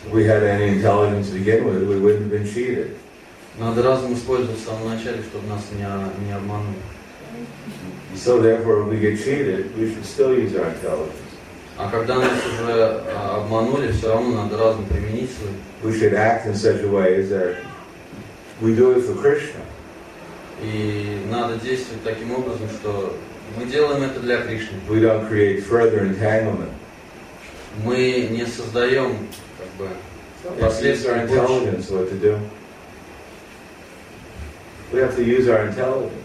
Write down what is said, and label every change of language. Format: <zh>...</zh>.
<en>If we had any intelligence to begin with, we wouldn't have been cheated.</en> <ru>Надо разум использовать в самом начале, чтобы нас не обманули.</ru> <en>So therefore, if we get cheated, we should still use our intelligence.</en> <ru>А когда нас уже обманули, все равно надо разум применить свой.</ru> <en>We should act in such a way as that we do it for Krishna.</en> <ru>И надо действовать таким образом, что мы делаем это для Кришны.</ru> <en>We don't create further entanglement.</en> <ru>Мы не создаем, как бы, последствия.</ru> <en>Use our intelligence what to do. We have to use our intelligence.</en>